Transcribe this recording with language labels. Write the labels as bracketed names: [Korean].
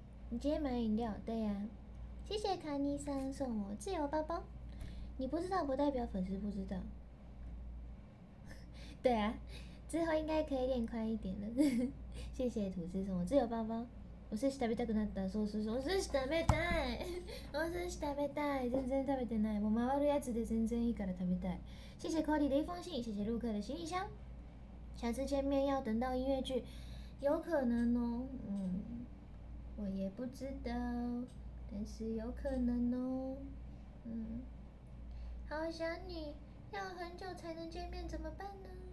[Chinese] 你今天买饮料，对呀、啊，谢谢卡尼桑送我自由包包。你不知道不代表粉丝不知道。对啊。之后应该可以练快一点了。谢谢吐司送我自由包包。我是 [Japanese] 食べたくなった。そうそうそう。寿司食べたい。お寿司食べたい。全然食べてない。もう回るやつで全然いいから食べたい。 [Chinese] 谢谢 Cody 的一封信。谢谢 Luke 的行李箱。下次见面要等到音乐剧，有可能哦。嗯，我也不知道，但是有可能哦。嗯，好想你，要很久才能见面，怎么办呢？